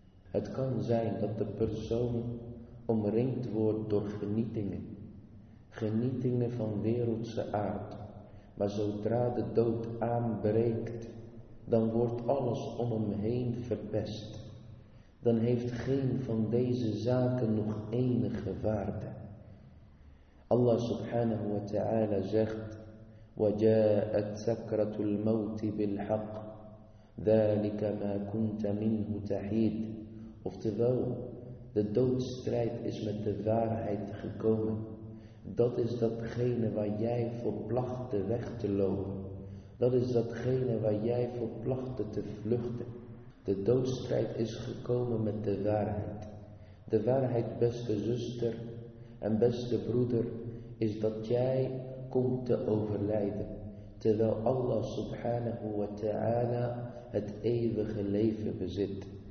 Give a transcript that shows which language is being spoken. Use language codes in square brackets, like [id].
[nl] Het kan zijn dat de persoon omringd wordt door genietingen. Genietingen van wereldse aard. Maar zodra de dood aanbreekt, dan wordt alles om hem heen verpest. Dan heeft geen van deze zaken nog enige waarde. Allah subhanahu wa ta'ala zegt: [ar] وَجَاءَتْ سَكْرَةُ الْمَوْتِ بِالْحَقِّ ذَلِكَ مَا كُنْتَ مِنْهُ تَحِيدُ. [nl] Oftewel, de doodstrijd is met de waarheid gekomen. Dat is datgene waar jij voor placht weg te lopen. Dat is datgene waar jij voor plachtte te vluchten. De doodstrijd is gekomen met de waarheid. De waarheid, beste zuster en beste broeder, is dat jij komt te overlijden, terwijl Allah subhanahu wa ta'ala het eeuwige leven bezit.